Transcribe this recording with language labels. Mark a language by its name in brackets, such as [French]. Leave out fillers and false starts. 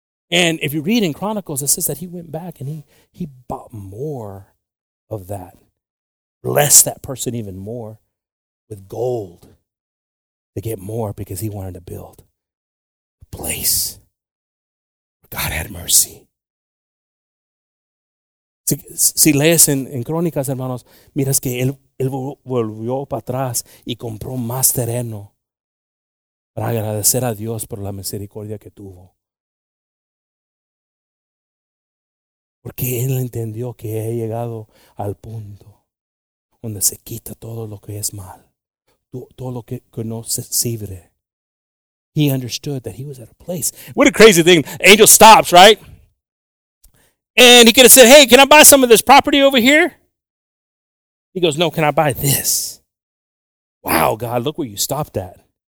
[English] And if you read in Chronicles, it says that he went back and he bought more of that. Blessed that person even more with gold to get more because he wanted to build a place. God had mercy. [Spanish] Si lees en Crónicas, hermanos, miras que él volvió para atrás y compró más terreno para agradecer a Dios por la misericordia que tuvo. Porque él entendió que he llegado al punto donde se quita todo lo que es mal, todo lo que no se sirve. [English] He understood that he was at a place. What a crazy thing. Angel stops, right? And he could have said, hey, can I buy some of this property over here? He goes, no, can I buy this? Wow, God, look where you stopped at.